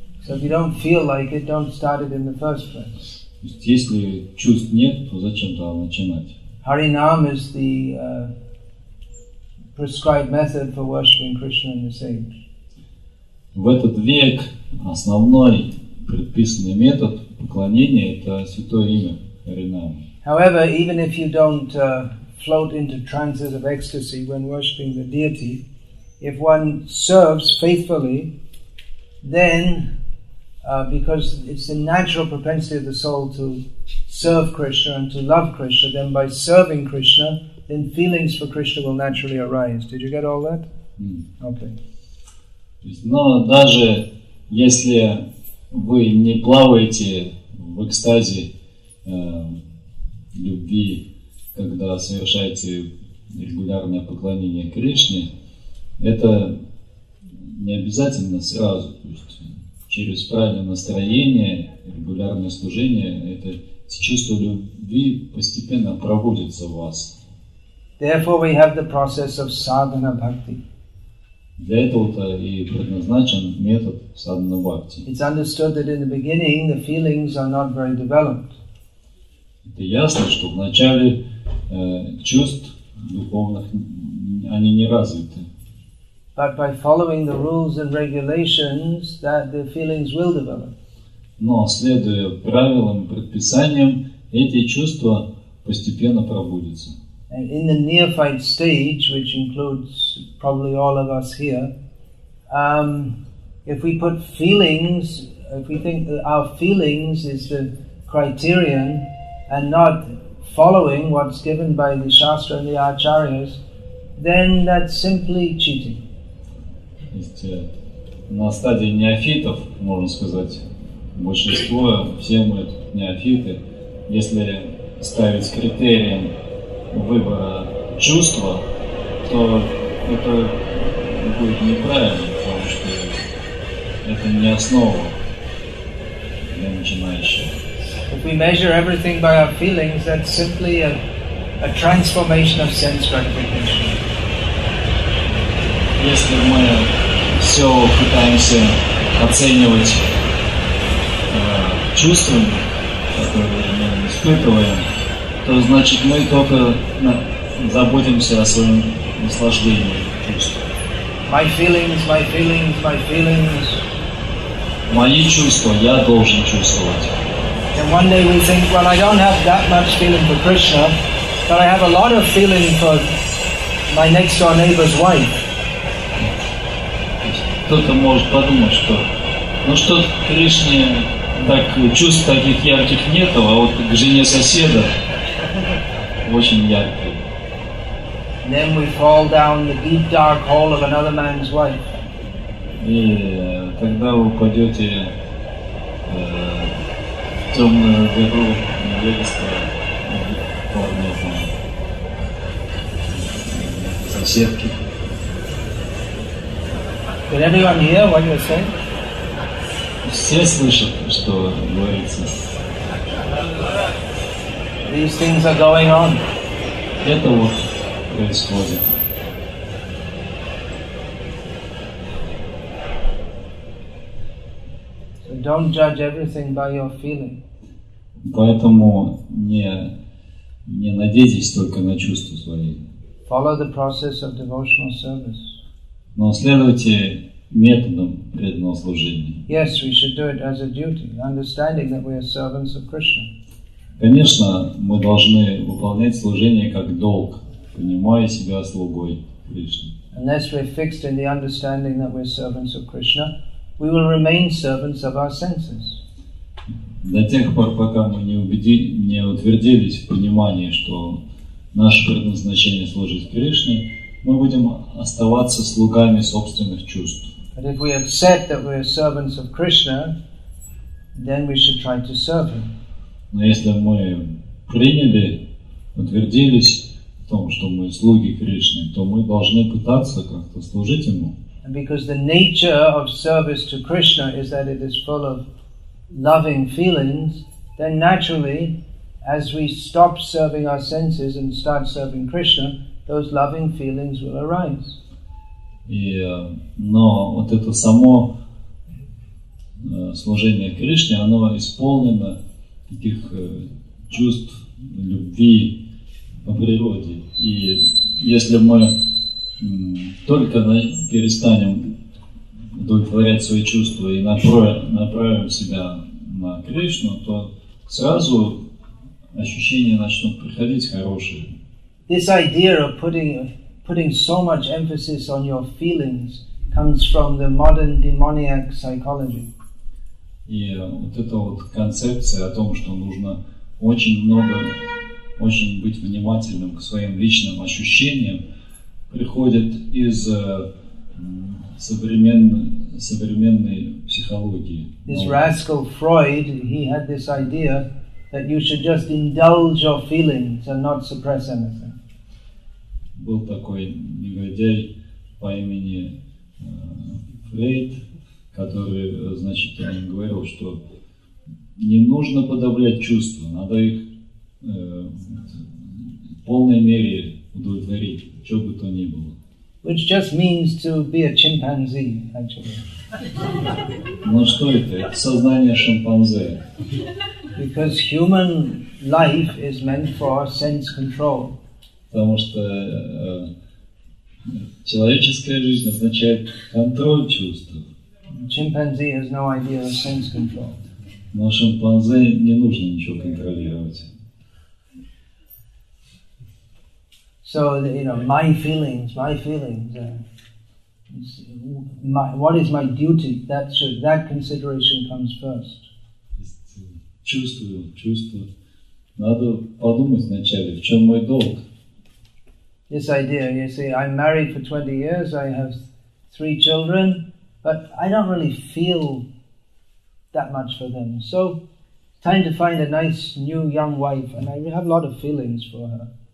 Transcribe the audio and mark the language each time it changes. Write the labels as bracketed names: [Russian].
[English] So if you don't feel like it, don't start it in the first place. [Russian] То есть, если чувств нет, то зачем тогда начинать? [English] Харинам is the prescribed method for worshiping Krishna in this age. [Russian] В этот век основной предписанный метод поклонения это святое имя Харинам. [English] However, even if you don't float into trances of ecstasy when worshiping the deity, if one serves faithfully, then because it's the natural propensity of the soul to serve Krishna and to love Krishna, then by serving Krishna, then feelings for Krishna will naturally arise. Did you get all that? Okay. [Russian] Но даже если вы не плаваете в экстазе любви, когда совершаете регулярное поклонение Кришне, это не обязательно сразу, то есть через правильное настроение, регулярное служение, это чувство любви постепенно проводится в вас. [English] Therefore we have the process of sadhana bhakti. [Russian] Для этого-то и предназначен метод sadhana bhakti. [English] It's understood that in the beginning the feelings are not very developed. [Russian] Это ясно, что вначале чувств духовных они не развиты. [English] But by following the rules and regulations, that the feelings will develop. [Russian] Но следуя правилам и предписаниям, эти чувства постепенно пробудятся. [English] And in the neophyte stage, which includes probably all of us here, if we put feelings, if we think that our feelings is the criterion, and not following what's given by the Shastra and the Acharyas, then that's simply cheating. [Russian] То есть на стадии неофитов, можно сказать, большинство, все мы тут неофиты, если ставить критерием выбора чувства, то это будет неправильно, потому что это не основа для начинающего. [English] If we measure everything by our feelings, that's simply a transformation of sense gratification. [Russian] Если мы все пытаемся оценивать чувствами, которые мы испытываем, то значит мы только заботимся о своем наслаждении чувствами. [English] My feelings, my feelings, my feelings. [Russian] Мои чувства, я должен чувствовать. [English] And one day we think, well, I don't have that much feeling for Krishna, but I have a lot of feeling for my next door neighbor's wife. [Russian] Кто-то может подумать, что ну что Кришне так чувств таких ярких нету, а вот к жене соседа очень яркие. [English] Then we fall down the deep dark hole of another man's wife. [Russian] И тогда вы упадете в темную дыру невесты, не знаю, соседки. [English] Did everyone hear what you're saying? [Russian] Все слышат, что говорится. [English] These things are going on. [Russian] Это вот происходит. [English] Don't judge everything by your feeling. [Russian] Поэтому не надейтесь только на чувства свои. [English] Follow the process of devotional service. [Russian] Но следуйте методам преданного служения. [English] Yes, we should do it as a duty, understanding that we are servants of Krishna. [Russian] Конечно, мы должны выполнять служение как долг, понимая себя слугой Кришны. [English] Unless we're fixed in the understanding that we're servants of Krishna, we will remain servants of our senses. [Russian] До тех пор, пока мы не утвердились в понимании, что наше предназначение служить Кришне, мы будем оставаться слугами собственных чувств. [English] But if we accept that we are servants of Krishna, then we should try to serve Him. [Russian] Но если мы приняли, утвердились в том, что мы слуги Кришны, то мы должны пытаться как-то служить Ему. [English] Because the nature of service to Krishna is that it is full of loving feelings, then naturally, as we stop serving our senses and start serving Krishna, those loving feelings will arise. [Russian] Но вот это само служение Кришне, оно исполнено таких чувств любви по природе. И если мы только перестанем удовлетворять свои чувства и направим себя на Кришну, то сразу ощущения начнут приходить хорошие. [English] This idea of putting so much emphasis on your feelings comes from the modern demoniac psychology. [Russian] И вот эта вот концепция о том, что нужно очень быть внимательным к своим личным ощущениям, приходит из современной психологии. [English] This rascal Freud, he had this idea that you should just indulge your feelings and not suppress anything. [Russian] Был такой негодяй по имени Фрейд, который, значит, он говорил, что не нужно подавлять чувства, надо их в полной мере удовлетворить, что бы то ни было. [English] Which just means to be a chimpanzee, actually. [Russian] Ну что это? Это сознание шимпанзе. [English] Because human life is meant for our sense control. [Russian] Потому что человеческая жизнь означает контроль чувств. [English] Chimpanzee has no idea of sense control. [Russian] Но шимпанзе не нужно ничего контролировать. [English] So, you know, my feelings. What is my duty? That consideration comes first. [Russian] Чувствую. Надо подумать вначале, в чем мой долг. [English] This idea, you see, I'm married for 20 years, I have 3 children, but I don't really feel that much for them. So, time to find a nice new young wife, and I have a lot of feelings for her.